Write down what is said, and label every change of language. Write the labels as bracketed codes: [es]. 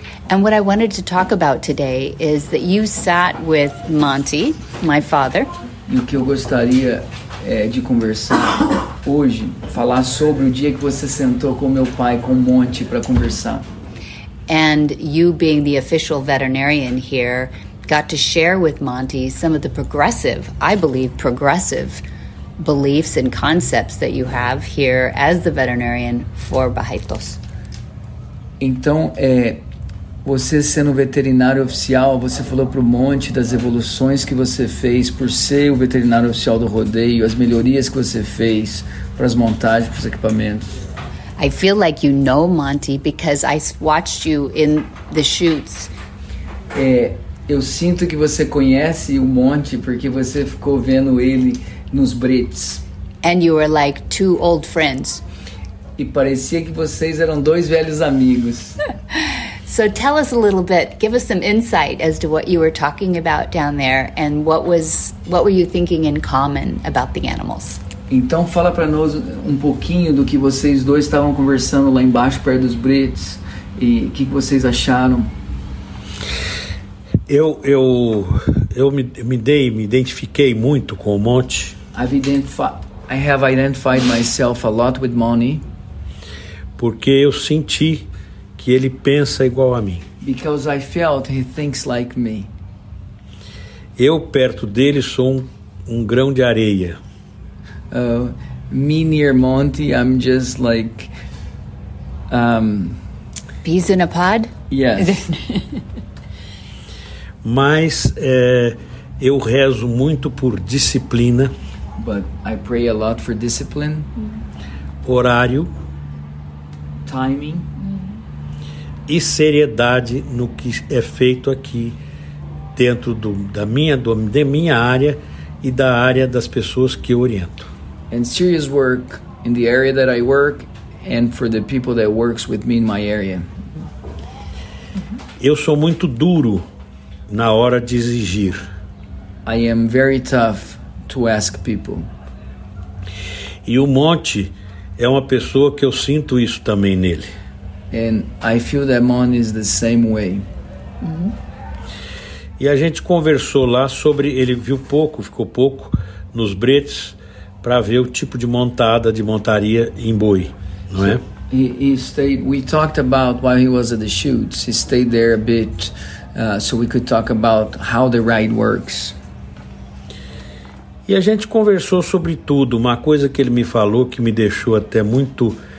[en] And what I wanted to talk about today is that you sat with Monty, my father. [pt] E o que eu gostaria de conversar hoje, falar sobre o dia que você sentou com meu pai, com o Monty, para conversar. [en] And you, being the official veterinarian here, got to share with Monty some of the progressive, I believe, progressive beliefs and concepts that you have here as the veterinarian for Barretos. [pt] Então, você sendo veterinário oficial, você falou pro Monty das evoluções que você fez por ser o veterinário oficial do rodeio, as melhorias que você fez para as montagens, para os equipamentos. [en] I feel like you know Monty because I watched you in the shoots. [pt] Eu sinto que você conhece o Monty porque você ficou vendo ele nos Brits. [en] And you were like two old friends. [pt] E parecia que vocês eram dois velhos amigos. [en] So tell us a little bit, give us some insight as to what you were talking about down there and what were you thinking in common about the animals. [pt] Então fala para nós um pouquinho do que vocês dois estavam conversando lá embaixo perto dos Brits e o que vocês acharam. Eu me identifiquei muito com o Monty. [en] I have identified myself a lot with Monty. [pt] Porque eu senti que ele pensa igual a mim. [en] Because I felt he thinks like me. [pt] Eu perto dele sou um grão de areia. [en] Me near Monty, I'm just like peas in a pod. Yes. [pt] Mas eu rezo muito por disciplina. [en] But I pray a lot for discipline. [pt] Horário. [en] Timing. [pt] E seriedade no que é feito aqui dentro da minha área e da área das pessoas que eu oriento. [en] And serious work in the area that I work and for the people that works with me in my area. [pt] Eu sou muito duro na hora de exigir. [en] I am very tough to ask people. [pt] E o Monty é uma pessoa que eu sinto isso também nele. [en] And I feel that Monty is the same way. [pt] E a gente conversou lá sobre, ele viu pouco, ficou pouco nos Brits, para ver o tipo de montada, de montaria em boi, não é? [en] We talked about while he was at the shoots. He stayed there a bit, so we could talk about how the ride works. [pt] E a gente conversou sobre tudo. Uma coisa que ele me falou que me deixou até muito.